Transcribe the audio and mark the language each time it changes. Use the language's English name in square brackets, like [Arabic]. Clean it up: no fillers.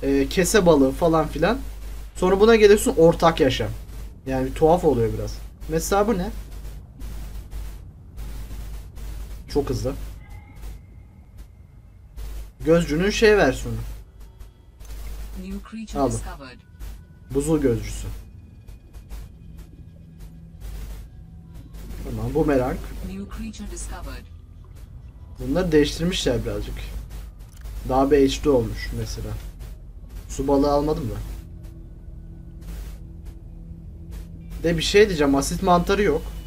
[Turkish] Kese balığı falan filan. Sonra buna geliyorsun ortak yaşam. Yani tuhaf oluyor biraz. Mesela bu ne? Çok hızlı. Gözcünün şey versiyonu. [English] New creature discovered. [Turkish] Buzul gözcüsü. Tamam, bu merak. [English] New creature discovered. [Turkish] Bunları değiştirmişler birazcık. Daha bir HD olmuş mesela. Su balığı almadım da. De bir şey diyeceğim, asit mantarı yok.